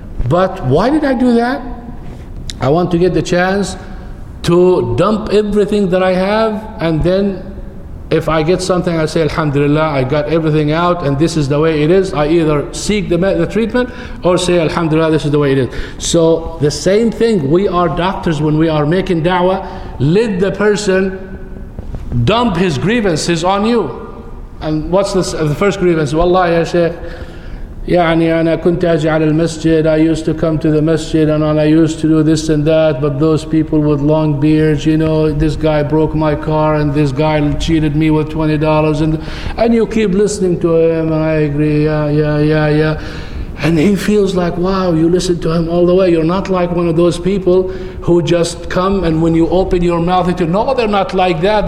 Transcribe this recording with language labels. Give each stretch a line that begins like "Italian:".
English: But why did I do that? I want to get the chance to dump everything that I have, and then if I get something, I say, Alhamdulillah, I got everything out, and this is the way it is. I either seek the treatment or say, Alhamdulillah, this is the way it is. So the same thing, we are doctors when we are making da'wah. Let the person dump his grievances on you. And what's the first grievance?
Arabic: Wallahi, ya Shaykh. يعني أنا كنت أجي على المسجد.
English: I used to come to the masjid and I used to do this and that. But those people with long beards, you know, this guy broke my car and this guy cheated me with $20. And you keep listening to him. And I agree. Yeah. And he feels like, wow, you listen to him all the way. You're not like one of those people who just come and when you open your mouth, you know, no, they're not like that.